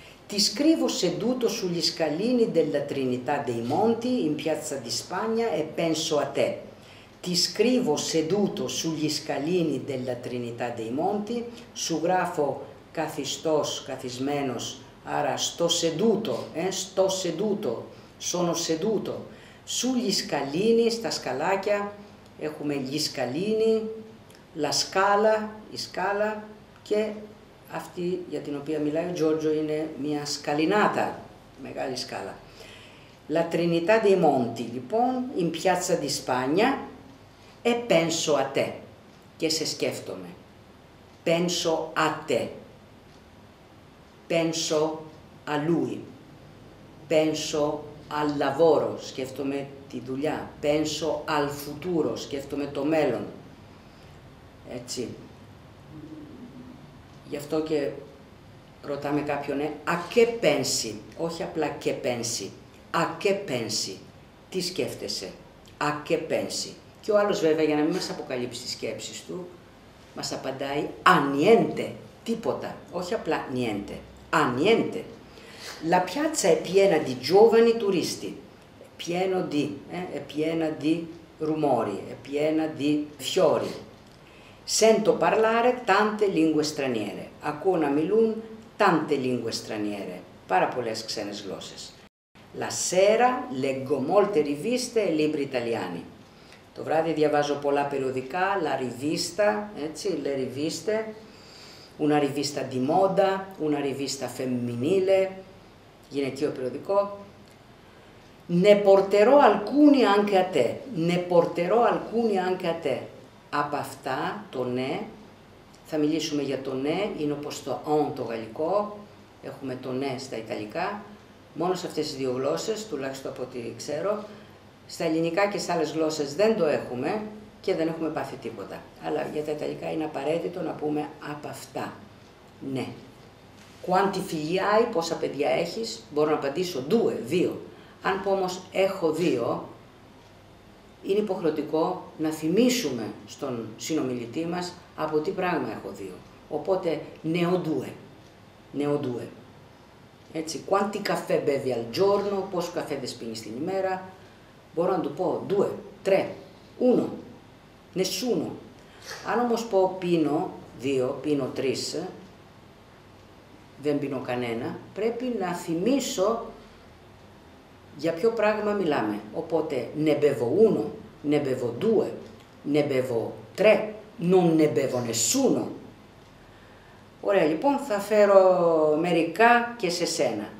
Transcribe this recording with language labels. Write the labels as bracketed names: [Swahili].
[Italian] Ti scrivo seduto sugli scalini della Trinità dei Monti in Piazza di Spagna e penso a te. Ti scrivo seduto sugli scalini della Trinità dei Monti, [Greek] su grafo καθιστός, καθισμένος, άρα [Italian] sto seduto, sto seduto, sono seduto. [Greek] Sugli scalini, στα σκαλάκια, έχουμε gli scalini, la scala, η σκάλα και αυτή για την οποία μιλάει ο Τζόρτζο είναι μια σκαλινάτα, μεγάλη σκάλα. [Italian] La Trinità dei Monti, λοιπόν, in Piazza di Spagna, e penso a te, [Greek] και σε σκέφτομαι. [Italian] Penso a te. Penso a lui. Penso al lavoro, [Greek] σκέφτομαι τη δουλειά. [Italian] Penso al futuro, [Greek] σκέφτομαι το μέλλον. Έτσι. Γι' αυτό και ρωτάμε κάποιον, [Italian] «A che pensi?» [Greek] Όχι απλά [Italian] «Che pensi?» «A che pensi?» [Greek] Τι σκέφτεσαι? [Italian] «A che pensi?» [Greek] Και ο άλλος βέβαια, για να μην μας αποκαλύψει τις σκέψεις του, μας απαντάει [Italian] «A niente!» [Greek] Τίποτα. Όχι απλά [Italian] «Niente!» «A niente!» La piazza è piena di giovani turisti. Pieno di, è piena di rumori, è piena di fiori. Sento parlare tante lingue straniere. [Greek] Ακούω να μιλούν [Italian] tante lingue straniere. [Greek] Πάρα πολλές ξένες γλώσσες. [Italian] La sera leggo molte riviste e libri italiani. [Greek] Το βράδυ διαβάζω πολλά περιοδικά, [Italian] la rivista, [Greek] έτσι, [Italian] le riviste. Una rivista di moda, una rivista femminile, [Greek] γυναικείο περιοδικό. [Italian] Ne porterò alcuni anche a te. Ne porterò alcuni anche a te. [Greek] Από αυτά, το ναι, θα μιλήσουμε για το ναι, είναι όπως το on το γαλλικό, έχουμε το ναι στα ιταλικά, μόνο σε αυτές τις δύο γλώσσες, τουλάχιστον από ό,τι ξέρω, στα ελληνικά και σε άλλες γλώσσες δεν το έχουμε και δεν έχουμε πάθει τίποτα. Αλλά για τα ιταλικά είναι απαραίτητο να πούμε από αυτά, ναι. [Italian] Quanti figli hai, [Greek] πόσα παιδιά έχεις, μπορώ να απαντήσω due, δύο. Αν πω όμως έχω δύο, είναι υποχρεωτικό να θυμίσουμε στον συνομιλητή μας από τι πράγμα έχω δύο. Οπότε, [Italian] neo due. Neo due. [Greek] Έτσι, [Italian] quanti caffè bevi al giorno, [Greek] πόσο καφέ δεν πίνεις την ημέρα, μπορώ να του πω [Italian] due, tre, uno, nessuno. [Greek] Αν όμως πω πίνω δύο, πίνω τρεις, δεν πίνω κανένα, πρέπει να θυμίσω για ποιο πράγμα μιλάμε. [Italian] Οπότε, ne bevo uno, ne bevo due, ne bevo tre, non ne bevo nessuno. [Greek] Ωραία, λοιπόν, θα φέρω μερικά και σε σένα.